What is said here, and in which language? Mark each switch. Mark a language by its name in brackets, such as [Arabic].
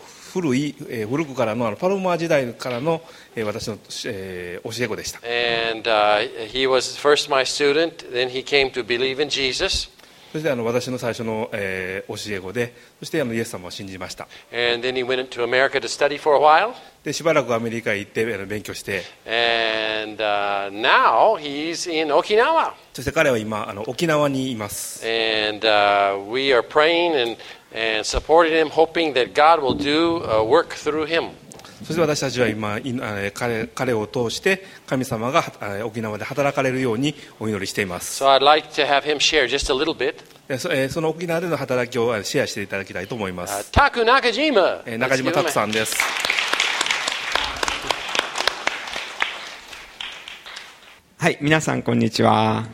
[Japanese] 古くからのパルマー時代からの私の教え子でした。 [English] And he was first my student, then he came to believe in Jesus. [Japanese] そして私の最初の教え子で、そしてイエス様を信じました。 [English] And then he went to America to study for a while. [Japanese] でしばらくアメリカへ行って勉強して。 [English] And now he's in Okinawa. [Japanese] そして彼は今沖縄にいます。 [English] And we are praying andAnd supporting him, hoping that God will do a work through him. [Japanese] そして私たちは今彼を通して神様が沖縄で働かれるようにお祈りしています。 [English] So I'd like to have him share just a little bit. [Japanese] その沖縄での働きをシェアしていただきたいと思います。 [English] Taku Nakajima. [Japanese] 中島拓さんです。はい、皆さんこんにちは。